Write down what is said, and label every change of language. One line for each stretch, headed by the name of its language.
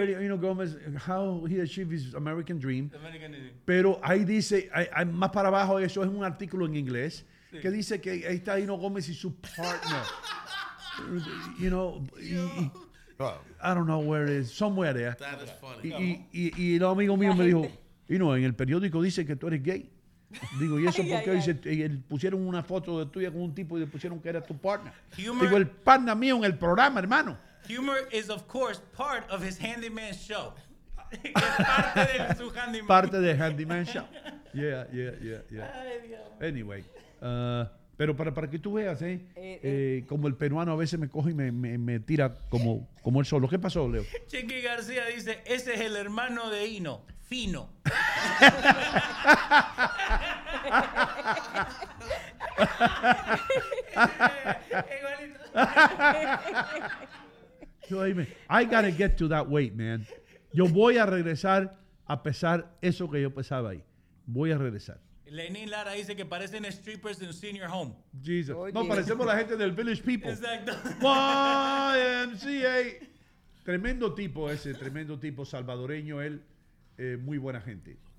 English: Hino Gómez, how he achieved his American dream.
Spanish: Pero ahí dice, más para abajo, eso es un artículo en inglés, sí. Que dice que ahí está Hino Gómez y su partner.
English: You know, I don't know where it is, somewhere there. That is funny.
Spanish: Y el amigo mío me dijo, Hino, en el periódico dice que tú eres gay. Digo, ¿y eso por qué? Pusieron una foto de tuya con un tipo y le pusieron que era tu partner.
English: Humor.
Spanish: Digo, el partner mío en el programa, hermano.
English: Humor is, of course, part of his handyman show.
Spanish: parte de su handyman. Parte de handyman shop. Yeah. Ay, Dios. Anyway. Pero para que tú veas, como el peruano a veces me coge y me tira como el solo. ¿Qué pasó, Leo? Chiqui García dice, ese es el hermano de Hino, fino.
English: Yo, dime, I gotta get to that weight, man.
Spanish: Yo voy a regresar a pesar eso que yo pesaba ahí. Voy a regresar. Lenín Lara dice que parecen strippers en Senior Home. Jesus. Oye. No, parecemos la gente del Village People. Exacto. YMCA. Tremendo tipo ese, tremendo tipo salvadoreño él. Muy buena gente.